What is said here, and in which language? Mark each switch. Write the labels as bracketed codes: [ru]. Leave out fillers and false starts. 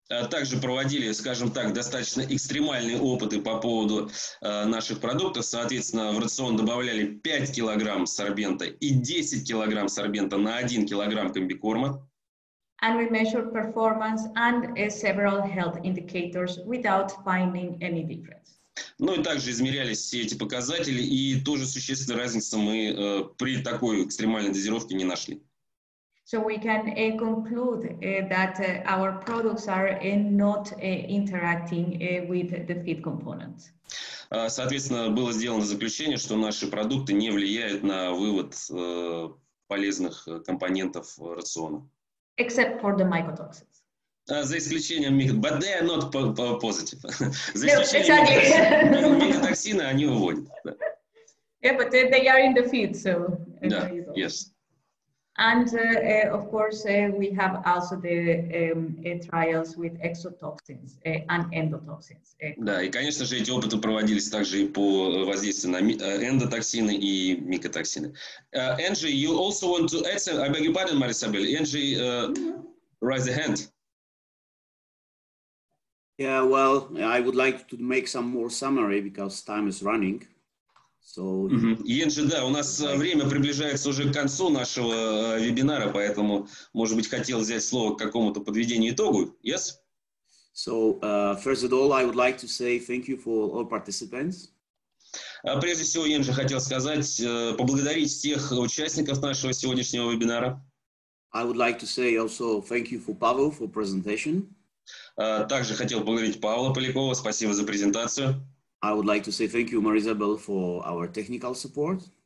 [ru] Также проводили, скажем так, достаточно экстремальные опыты по поводу наших продуктов. Соответственно, в рацион добавляли 5 килограмм сорбента и 10 килограмм сорбента на 1 килограмм комбикорма. [en] And we measured performance and several health indicators without finding any difference. [ru] Ну и также измерялись все эти показатели, и тоже существенной разницы мы при такой экстремальной дозировке не нашли. [en] So we can conclude that our products are not interacting with the feed components. [ru] Соответственно, было сделано заключение, что наши продукты не влияют на вывод полезных компонентов рациона. [en] Except for the mycotoxins. [ru] За исключением [en] but they are not positive. [ru] За исключением микотоксины, они выводят. [en] Yeah, but they are in the feed, so. Yeah. Yes. And of course, we have also the trials with exotoxins and endotoxins. [ru] Да, и конечно же эти опыты проводились также и по воздействию на эндотоксины и микотоксины. [en] Angie, you also want to add some? I beg your pardon, Marisabel. Angie, raise the hand. Yeah, well, I would like to make some more summary because time is running. So, [ru] Енджи, да, у нас время приближается уже к концу нашего вебинара, поэтому, может быть, хотел взять слово к какому-то подведению итогу. [en] Yes? So, first of all, I would like to say thank you for all participants. [ru] Прежде всего, Енджи, хотел сказать, поблагодарить всех участников нашего сегодняшнего вебинара. [en] I would like to say also thank you for Pavel for presentation. [ru] Также хотел поблагодарить Павла Полякова, спасибо за презентацию. [en] I would like to say thank you, Marisabel, for our technical support.